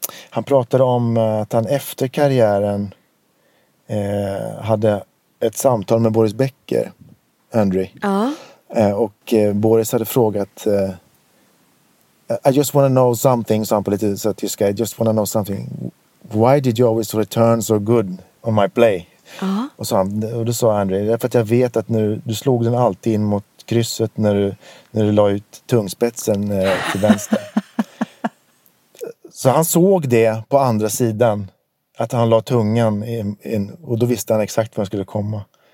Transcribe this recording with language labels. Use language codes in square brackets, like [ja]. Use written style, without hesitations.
[sv] Han pratade om att han efter karriären hade ett samtal med Boris Becker, Andre. Ja. Och Boris hade frågat [en] I just want to know something, [sv] sa han på lite så tyska. [en] I just want to know something. Why did you always return so good on my play? Uh-huh. [sv] Och då sa André, det är för att jag vet att när du slog den alltid in mot krysset när du la ut tungspetsen till vänster. Så han såg det på andra sidan, att han la tungan in, och då visste han exakt var han skulle komma.